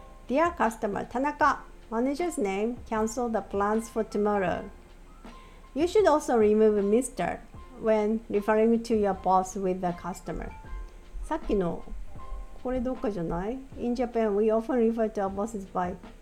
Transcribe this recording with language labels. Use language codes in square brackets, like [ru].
[en] Dear customer, 田中 manager's name canceled the plans for tomorrow. You should also remove Mr. when referring to your boss with the customer. [ja] さっきのこれどっかじゃない？ [en] In Japan, we often refer to our bosses by...